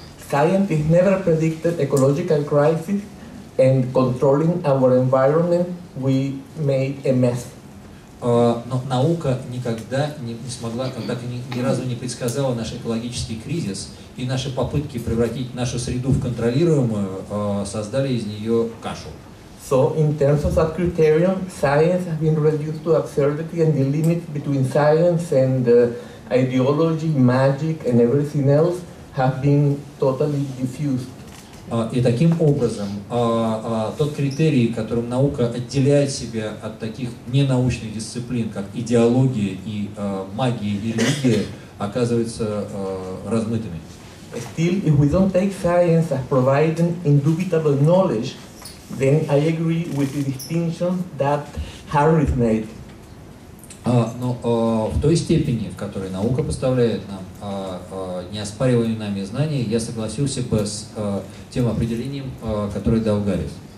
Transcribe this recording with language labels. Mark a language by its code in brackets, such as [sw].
[en] Scientists never predicted ecological crisis, and controlling our environment, we made a mess. [ru] Но наука никогда не смогла, так и ни разу не предсказала наш экологический кризис, и наши попытки превратить нашу среду в контролируемую создали из нее кашу. [en] So, in terms of that criterion, science has been reduced to absurdity and the limit between science and ideology, magic, and everything else have been totally diffused. [ru] И таким образом, тот критерий, которым наука отделяет себя от таких ненаучных дисциплин, как идеология и магия и религия, оказывается размытыми. [en] Still, if we don't take science as providing indubitable knowledge, then I agree with the distinction that Harris made. [ru] В той степени, в которой наука поставляет нам неоспоримые нами знания, я согласился бы с тем определением, которое дал Гаррис.